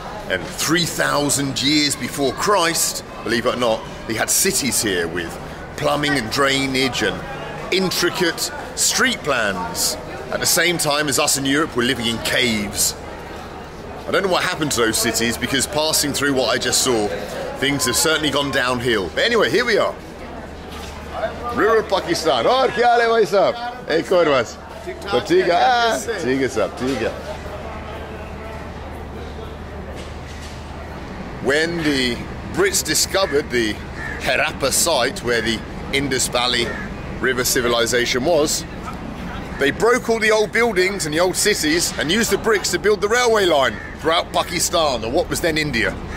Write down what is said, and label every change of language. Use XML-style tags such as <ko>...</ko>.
<en>And 3,000 years before Christ, believe it or not, they had cities here with plumbing and drainage and intricate street plans. At the same time as us in Europe, we're living in caves. I don't know what happened to those cities, because passing through what I just saw, things have certainly gone downhill. But anyway, here we are. Rural Pakistan.</en> <ur>اوہ، کیا حال ہے بھائی صاحب؟ ایک اور بس. So, ٹھیک ہے. ٹھیک ہے صاحب، ٹھیک ہے.</ur> <en>When the Brits discovered the Harappa site where the Indus Valley River civilization was, they broke all the old buildings and the old cities and used the bricks to build the railway line throughout Pakistan or what was then India.</en>